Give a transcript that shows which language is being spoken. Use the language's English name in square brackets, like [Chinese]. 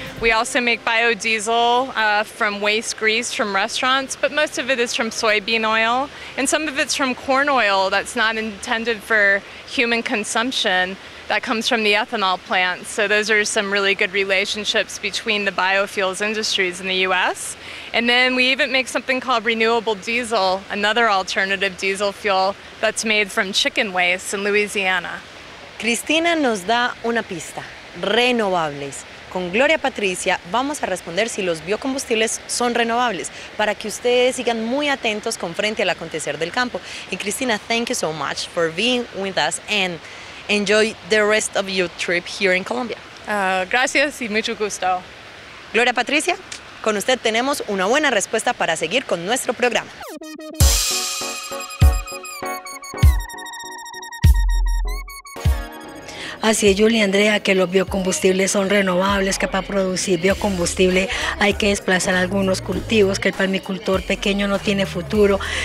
[English] We also make biodiesel from waste grease from restaurants, but most of it is from soybean oil, and some of it's from corn oil that's not intended for human consumption that comes from the ethanol plants. So those are some really good relationships between the biofuels industries in the US. And then we even make something called renewable diesel, another alternative diesel fuel that's made from chicken waste in Louisiana. [Spanish] Cristina nos da una pista, renovables. Con Gloria Patricia vamos a responder si los biocombustibles son renovables para que ustedes sigan muy atentos con Frente al Acontecer del Campo. Y Cristina, [English] thank you so much for being with us and enjoy the rest of your trip here in Colombia. [Spanish] Gracias y mucho gusto. Gloria Patricia, con usted tenemos una buena respuesta para seguir con nuestro programa. Así es, Julia Andrea, que los biocombustibles son renovables, que para producir biocombustible hay que desplazar algunos cultivos, que el palmicultor pequeño no tiene futuro.